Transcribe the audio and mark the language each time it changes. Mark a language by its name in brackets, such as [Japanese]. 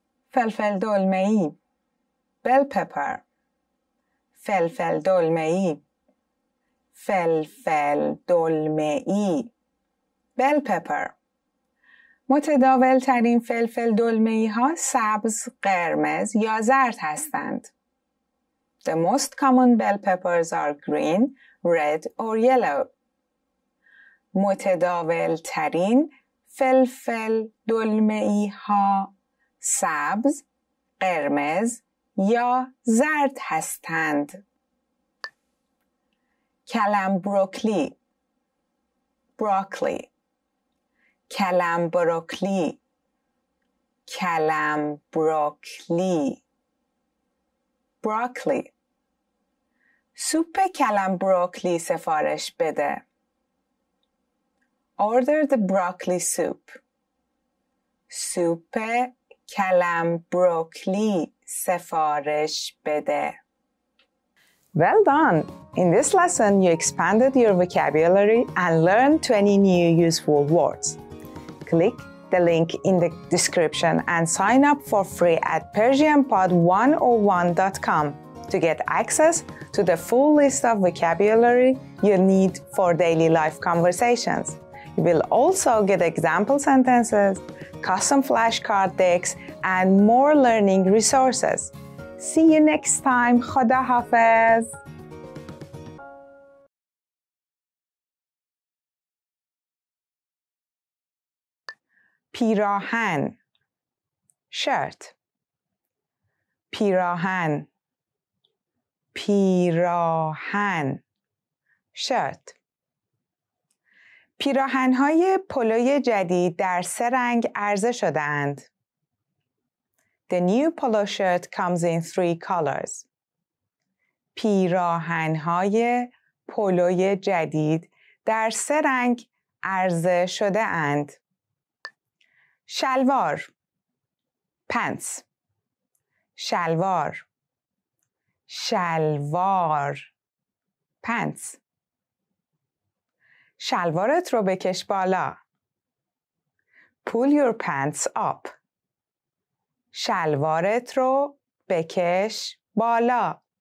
[Persian] فلفل دلمه ای [English] bell pepper [Persian] فلفل دلمه ای فلفل دلمه ای bell pepper متداول ترین فلفل دلمه ای ها سبز، قرمز یا زرد هستند. [English] The most common bell peppers are green, red or yellow. [Persian] متداول ترین فلفل دلمه ای ها سبز، قرمز یا زرد هستند. Kalam broccoli. Broccoli. Kalam broccoli. Kalam broccoli. Broccoli. سوپ کلم بروکلی سفارش بده. [English] Order the broccoli soup. [Persian] سوپ کلم بروکلی سفارش بده. [English] Well done! In this lesson, you expanded your vocabulary and learned 20 new useful words. Click the link in the description and sign up for free at PersianPod101.com. to get access to the full list of vocabulary you'll need for daily life conversations. You will also get example sentences, custom flashcard decks, and more learning resources. See you next time. [Persian] Khuda hafiz. Pirahan. Shirt. Pirahan. پیراهن شرت پیراهن‌های پولوی جدید در سه رنگ عرضه شدند. [English] The new polo shirt comes in three colors. [Persian] پیراهن‌های پولوی جدید در سه رنگ عرضه شده اند. شلوار پنتس شلوار شلوار پنتس شلوارت رو بکش بالا [English] Pull your pants up [Persian] شلوارت رو بکش بالا